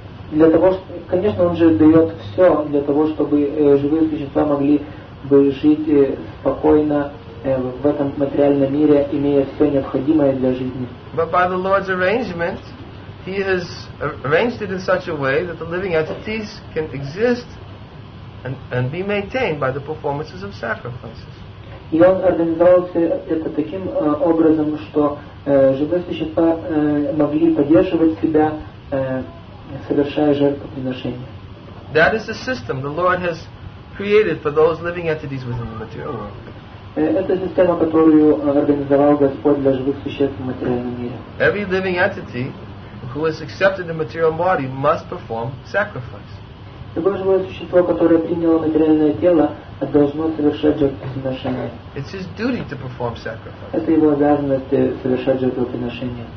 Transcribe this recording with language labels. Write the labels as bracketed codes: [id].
[ru] Для того, конечно, он же дает все для того, чтобы живые существа могли бы жить спокойно в этом материальном мире, имея все необходимое для жизни. [en] But by the Lord's arrangement, he has arranged it in such a way that the living entities can exist and be maintained by the performances of sacrifices. [ru] И он организовал все это таким образом, что живые существа могли поддерживать себя, совершая жертвоприношения. [en] That is the system the Lord has created for those living entities within the material world. [ru] Это система, которую организовал Господь для живых существ в материальном мире. [en] Every living entity who has accepted the material body must perform sacrifice. [ru] Любое живое существо, которое приняло материальное тело, должно совершать жертвоприношение. [en] It's his duty to perform sacrifice. [ru] Это его обязанность совершать жертвоприношение.